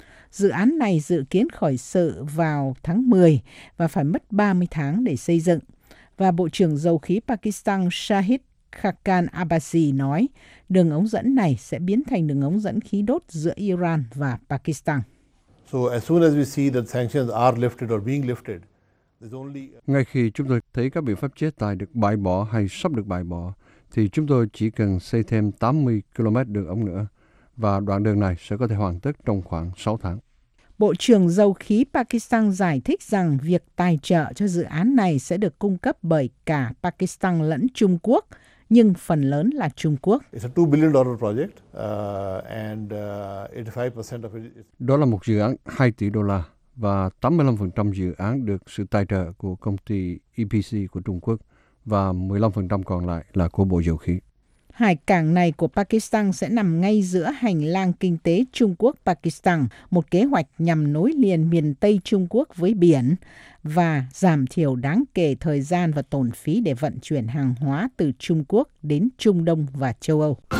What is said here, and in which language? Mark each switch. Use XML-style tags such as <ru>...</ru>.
<vi>Dự án này dự kiến khởi sự vào tháng 10 và phải mất 30 tháng để xây dựng. Và Bộ trưởng Dầu khí Pakistan Shahid Khakan Abbasi nói, đường ống dẫn này sẽ biến thành đường ống dẫn khí đốt giữa Iran và Pakistan.</vi> <en>So as soon as we see that sanctions are lifted or being lifted, there's only...</en> <vi>Ngay khi chúng tôi thấy các biện pháp chế tài được bãi bỏ hay sắp được bãi bỏ, thì chúng tôi chỉ cần xây thêm 80 km đường ống nữa. Và đoạn đường này sẽ có thể hoàn tất trong khoảng 6 tháng. Bộ trưởng Dầu khí Pakistan giải thích rằng việc tài trợ cho dự án này sẽ được cung cấp bởi cả Pakistan lẫn Trung Quốc, nhưng phần lớn là Trung Quốc.</vi> <en>It's a $2 billion project, and 85% of it...</en> <vi>Đó là một dự án 2 tỷ đô la và 85% dự án được sự tài trợ của công ty EPC của Trung Quốc và 15% còn lại là của Bộ Dầu khí. Hải cảng này của Pakistan sẽ nằm ngay giữa hành lang kinh tế Trung Quốc-Pakistan, một kế hoạch nhằm nối liền miền Tây Trung Quốc với biển và giảm thiểu đáng kể thời gian và tốn phí để vận chuyển hàng hóa từ Trung Quốc đến Trung Đông và châu Âu.</vi>